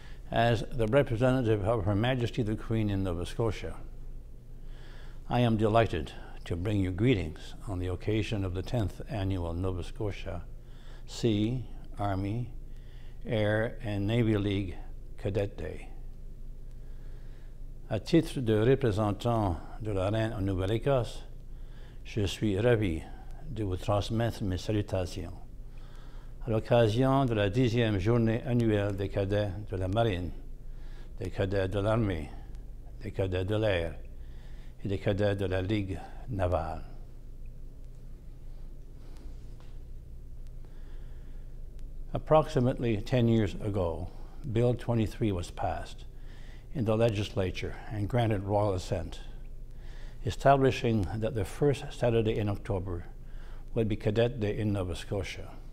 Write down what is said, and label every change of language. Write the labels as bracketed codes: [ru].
[en] as the representative of Her Majesty the Queen in Nova Scotia. I am delighted to bring you greetings on the occasion of the 10th annual Nova Scotia Sea, Army, Air and Navy League Cadet Day. [fr] À titre de représentant de la Reine en Nouvelle-Écosse, je suis ravi de vous transmettre mes salutations à l'occasion de la 10e journée annuelle des cadets de la Marine, des cadets de l'Armée, des cadets de l'Air et des cadets de la Ligue navale. [en] Approximately 10 years ago, Bill 23 was passed in the legislature and granted royal assent, establishing that the first Saturday in October would be Cadet Day in Nova Scotia.